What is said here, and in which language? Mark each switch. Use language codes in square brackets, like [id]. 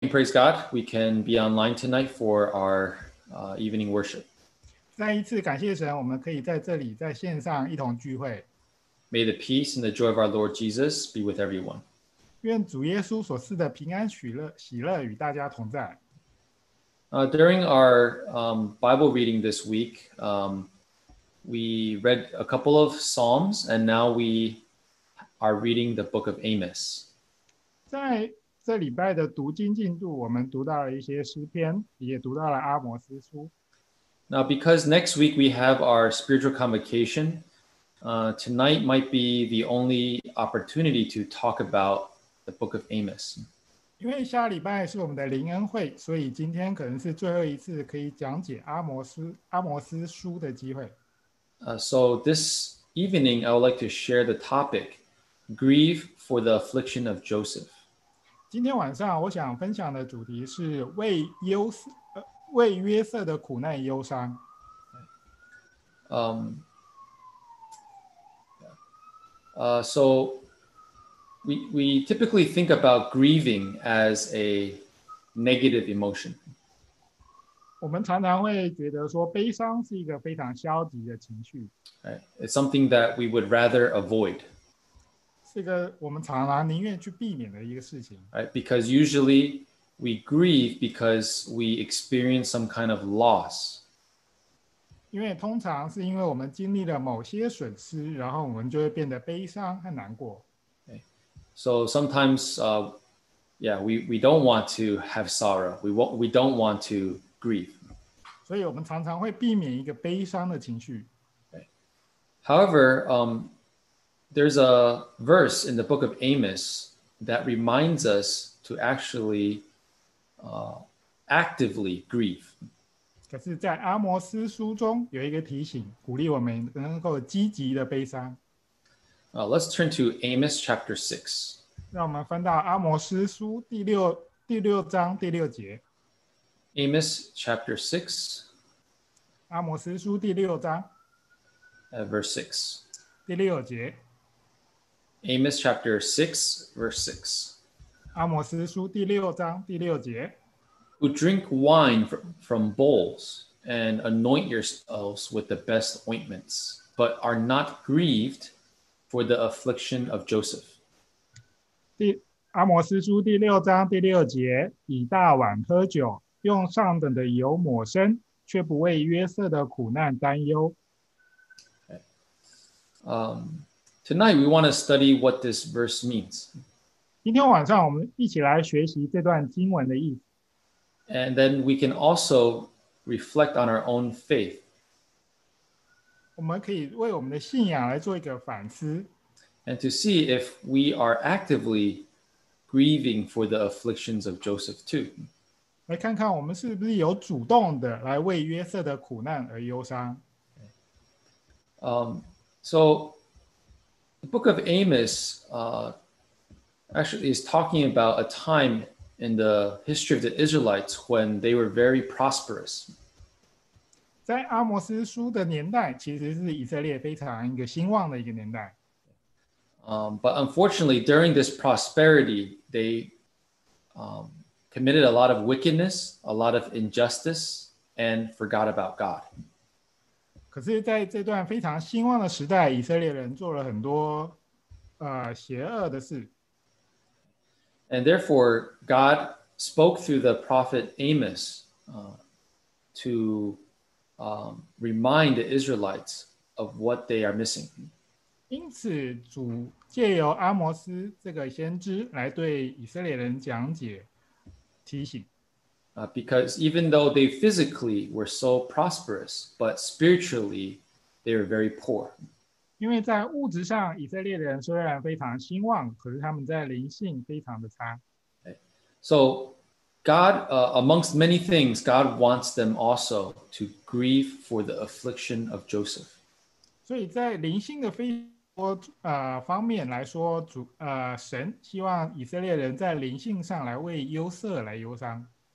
[en] praise God, we can be online tonight for our evening worship. [zh] 再一次感谢神，我们可以在这里在线上一同聚会。 [en] May the peace and the joy of our Lord Jesus be with everyone. [zh] 愿主耶稣所赐的平安喜乐与大家同在。 [en] During our Bible reading this week, we read a couple of Psalms, and now we are reading the book of Amos. [zh] 在这礼拜的读经进度，我们读到了一些诗篇，也读到了阿摩斯书。 [en] Now, because next week we have our spiritual convocation, tonight might be the only opportunity to talk about the book of Amos. [zh] 因为下礼拜是我们的灵恩会，所以今天可能是最后一次可以讲解阿摩斯书的机会。 [en] So this evening, I would like to share the topic, grieve for the affliction of Joseph. [zh] 今天晚上我想分享的主题是为约瑟的苦难忧伤。 [en] So we typically think about grieving as a negative emotion. [zh] 我们常常会觉得说悲伤是一个非常消极的情绪。 [en] Right. It's something that we would rather avoid. [zh] 是一个我们常常宁愿去避免的一个事情。 [en] Right. Because usually,we grieve because we experience some kind of loss. [zh] 因为通常是因为我们经历了某些损失，然后我们就会变得悲伤和难过。 [en] Okay. So sometimes, we don't want to have sorrow. We don't want to grieve. [zh] 所以我们常常会避免一个悲伤的情绪。 [en] Okay. However, there's a verse in the book of Amos that reminds us to actually... actively grieve. [zh] 可是在阿摩斯书中有一个提醒，鼓励我们能够积极的悲伤。 [en] Let's turn to Amos chapter 6. [zh] 让我们翻到阿摩斯书第六章第六节。 [en] Amos chapter 6. [zh] 阿摩斯书第六章。 [en] Verse 6. [zh] 第六节。 [en] Amos chapter 6, verse 6. [zh] 阿摩斯书第六章第六节。 [en] Who drink wine from bowls and anoint yourselves with the best ointments, but are not grieved for the affliction of Joseph. [zh] 阿摩斯书第六章第六节，以大碗喝酒，用上等的油抹身，却不为约瑟的苦难担忧。 [en] Tonight we want to study what this verse means. [zh] 今天晚上我们一起来学习这段经文的意思。 [en] And then we can also reflect on our own faith. [zh] 我们可以为我们的信仰来做一个反思。 [en] And to see if we are actively grieving for the afflictions of Joseph too. [zh] 来看看我们是不是有主动的来为约瑟的苦难而忧伤。 [en] So, the book of Amos, actually is talking about a time in the history of the Israelites when they were very prosperous. [zh] 在阿摩斯书的年代其实是以色列非常一个兴旺的一个年代。 [en] But unfortunately, during this prosperity, they committed a lot of wickedness, a lot of injustice, and forgot about God. [zh] 可是在这段非常兴旺的时代，以色列人做了很多邪恶的事。 [en] And therefore, God spoke through the prophet Amos to remind the Israelites of what they are missing. [zh] 因此，主借由阿摩斯这个先知来对以色列人讲解提醒。 [en] Because even though they physically were so prosperous, but spiritually they were very poor. [zh] 因为在物质上，以色列人虽然非常兴旺，可是他们在灵性非常的差。 [en] So, God, amongst many things, God wants them also to grieve for the affliction of Joseph. [zh] 所以在灵性的非多方面来说，神希望以色列人在灵性上来为忧瑟来忧伤。